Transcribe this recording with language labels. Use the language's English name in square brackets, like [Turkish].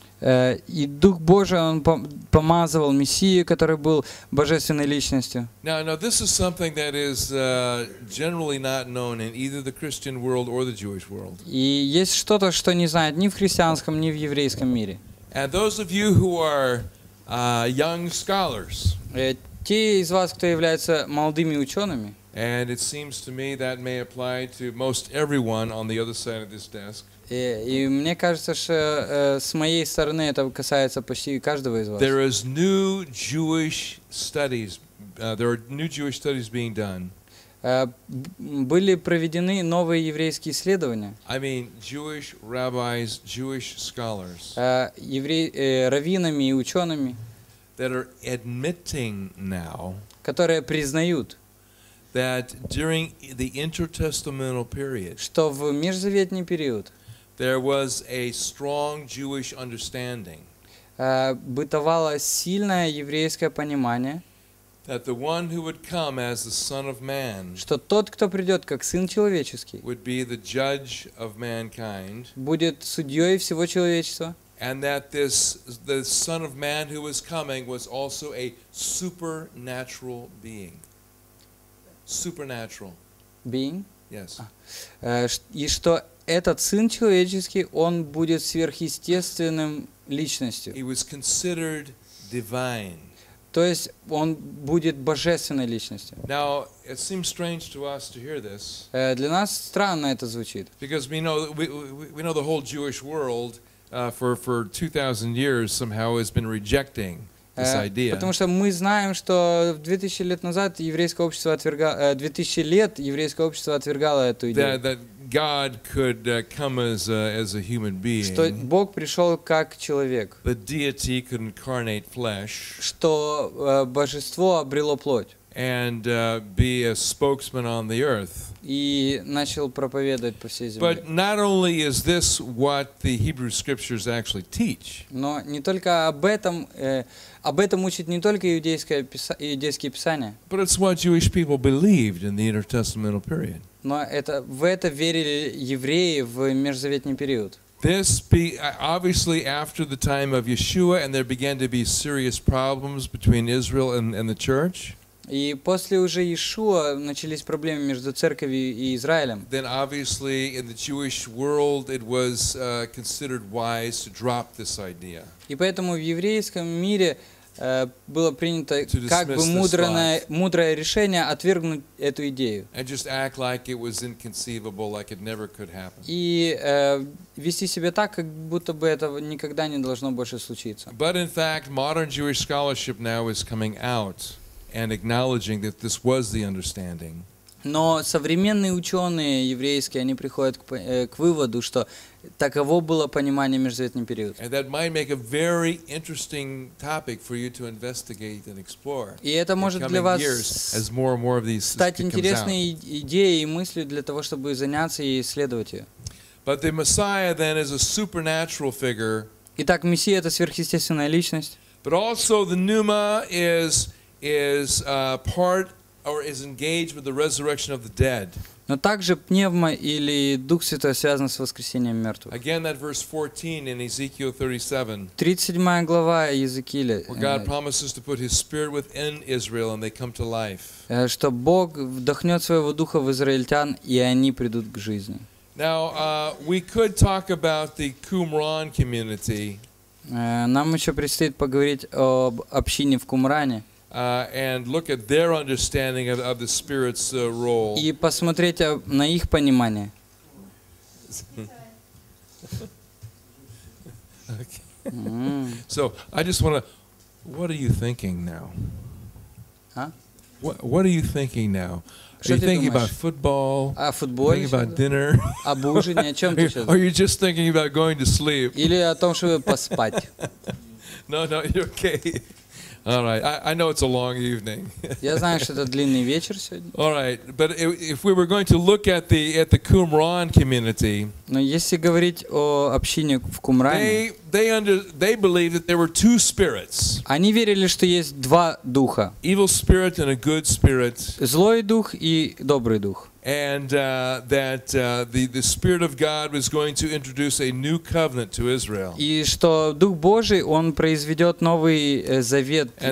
[Russian] И Дух Божий он помазывал Мессию, который был божественной личностью. [English] Now this is something that is generally not known in either the Christian world or the Jewish world. [Russian] И есть что-то, что не знают ни в христианском, ни в еврейском мире. [English] And those of you who are young scholars, [Russian] те из вас, кто является молодыми учеными, [English] and it seems to me that may apply to most everyone on the other side of this desk. [Russian] И мне кажется, что с моей стороны это касается почти каждого из вас. [English] There is new Jewish studies. There are new Jewish studies being done. [Russian] Были проведены новые еврейские исследования. [English] I mean, Jewish rabbis, Jewish scholars. [Russian] Раввинами и учеными. [English] that are admitting now, [Russian] которые признают, [English] that during the intertestamental period, [Russian] что в межзаветный период, [English] there was a strong Jewish understanding, [Russian] бытовало сильное еврейское понимание, [English] that the one who would come as the Son of Man, [Russian] что тот, кто придет как Сын человеческий, [English] would be the judge of mankind, [Russian] будет судьей всего человечества. [English] And that this the Son of Man who was coming was also a supernatural being. Supernatural. Being? Yes. [Russian] И что этот Сын человеческий, он будет сверхъестественным личностью. [English] He was considered divine. [Russian] То есть он будет божественной личностью. [English] Now, it seems strange to us to hear this. [Russian] Для нас странно это звучит. [English] Because we know the whole Jewish world for 2000 years somehow has been rejecting this idea. [Russian] Потому что мы знаем, что 2000 лет назад еврейское общество отвергало 2000 лет еврейское общество отвергало эту идею. [English] That God could come as a human being. [Russian] Что Бог пришёл как человек. [English] The deity could incarnate flesh. [Russian] Что божество обрело плоть. [English] And be a spokesman on the earth. [Russian] И начал проповедовать по всей земле. [English] But not only is this what the Hebrew scriptures actually teach. [Russian] Но не только об этом учит не только иудейские писания. [English] But it's what Jewish people believed in the intertestamental period. [Russian] Но это в это верили евреи в межзаветный период. [English] This be obviously after the time of Yeshua, and there began to be serious problems between Israel and the church. [Russian] И после уже Иешуа начались проблемы между церковью и Израилем. [English] Then obviously in the Jewish world it was considered wise to drop this idea. [Russian] И поэтому в еврейском мире было принято как бы мудрое решение отвергнуть эту идею. [English] And just act like it was inconceivable, like it never could happen. [Russian] И вести себя так, как будто бы этого никогда не должно больше случиться. [English] But in fact, modern Jewish scholarship now is coming out and acknowledging that this was the understanding. [Russian] Но современные ученые еврейские, они приходят к выводу, что таково было понимание межзаветный период. [English] And that might make a very interesting topic for you to investigate and explore. [Russian] И это может для вас [English] as more and more of these [Russian] стать интересной идеей и мыслью для того, чтобы заняться и исследовать ее. [English] But the Messiah then is a supernatural figure. [Russian] Итак, Мессия — это сверхъестественная личность. [English] But also the Pneuma is part or is engaged with the resurrection of the dead. [Russian] Но также пневма или Дух Святой связан с воскресением мертвых. [English] Again, that verse 14 in Ezekiel 37. [Russian] 37 глава Иезекииля. [English] Where God promises to put His Spirit within Israel and they come to life. [Russian] Что Бог вдохнет своего духа в израильтян и они придут к жизни. [English] Now we could talk about the Qumran community. [Russian] Нам еще предстоит поговорить об общине в Кумране. [English] And look at their understanding of the Spirit's role. [Russian] И посмотреть на их понимание. [English] So I just want to. What are you thinking now? Huh? What are you thinking now? Are you thinking about football? [Russian] А футбол? [English] Thinking about dinner? [Russian] Об ужине? О чем ты сейчас? [English] Are you just thinking about going to sleep? [Russian] Или о том, чтобы поспать? [English] No, you're okay. All right. I know it's a long evening. [Russian] Я знаю, что это длинный вечер сегодня. [English] All right, but if we were going to look at the Qumran community, [Russian] но если говорить о общине в Кумране, [English] they believe that there were two spirits. [Russian] Они верили, что есть два духа. [English] Evil spirit and a good spirit. [Russian] Злой дух и добрый дух. [English] And that the Spirit of God was going to introduce a new covenant to Israel. [Russian] И что Дух Божий, он произведет новый завет для